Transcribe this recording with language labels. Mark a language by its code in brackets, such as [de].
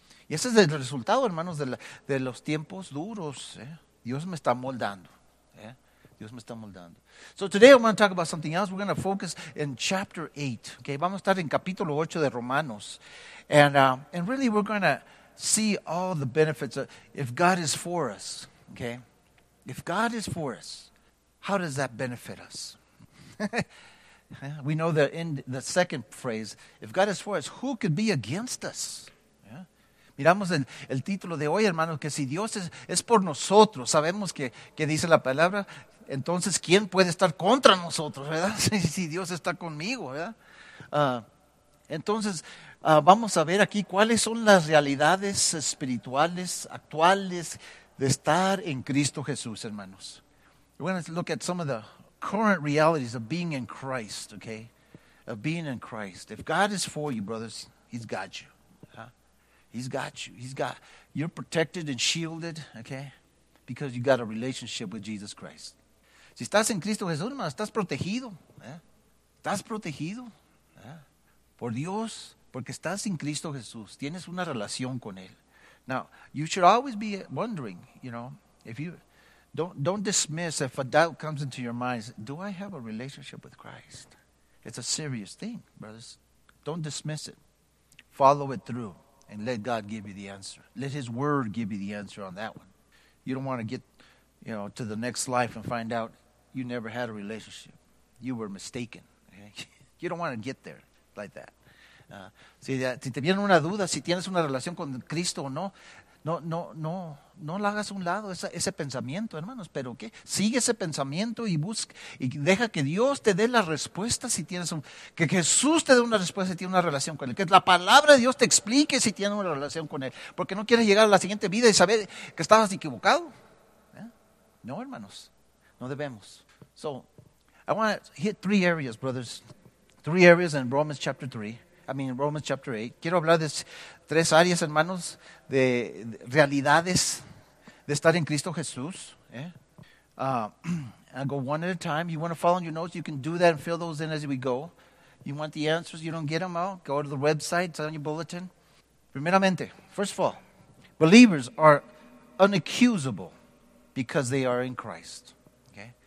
[es] Y ese es el resultado, hermanos, de los tiempos duros. Dios me está moldando. Dios me está moldando. [en] So today I want to talk about something else. We're going to focus in chapter 8. Okay? [es] Vamos a estar en capítulo 8 de Romanos. [en] And really we're going to see all the benefits of, if God is for us. Okay? If God is for us, how does that benefit us? We know that in the second phrase, if God is for us, who could be against us? [es] Miramos el título de hoy, hermanos, que si Dios es por nosotros, sabemos que dice la palabra, entonces, ¿quién puede estar contra nosotros, verdad? Si Dios está conmigo, ¿verdad? Entonces, vamos a ver aquí cuáles son las realidades espirituales actuales de estar en Cristo Jesús, hermanos. [en] We're going to look at some of the current realities of being in Christ, okay? Of being in Christ. If God is for you, brothers, he's got you. He's got you. You're protected and shielded, okay? Because you got a relationship with Jesus Christ. [es] Si estás en Cristo Jesús, hermano, estás protegido. Estás protegido por Dios, porque estás en Cristo Jesús. Tienes una relación con Él. [en] Now, you should always be wondering, you know, if you don't dismiss if a doubt comes into your mind, do I have a relationship with Christ? It's a serious thing, brothers. Don't dismiss it. Follow it through. And let God give you the answer. Let his word give you the answer on that one. You don't want to get, you know, to the next life and find out you never had a relationship. You were mistaken. Okay? You don't want to get there like that. [es] Si te viene una duda, si tienes una relación con Cristo o no, no la hagas a un lado, ese pensamiento, hermanos. Pero ¿qué? Sigue ese pensamiento y busca, y deja que Dios te dé la respuesta si tienes un, que Jesús te dé una respuesta si tienes una relación con Él. Que la palabra de Dios te explique si tienes una relación con Él. Porque no quieres llegar a la siguiente vida y saber que estabas equivocado. No, hermanos, no debemos. [en] So, I want to hit three areas, brothers. Three areas in Romans chapter 3. In Romans chapter 8. [es] Quiero hablar de tres áreas, hermanos, de realidades de estar en Cristo Jesús. [en] I'll go one at a time. You want to follow in your notes, you can do that and fill those in as we go. You want the answers, you don't get them out, go to the website, it's on your bulletin. [es] Primeramente, [en] first of all, believers are unaccusable because they are in Christ. Okay?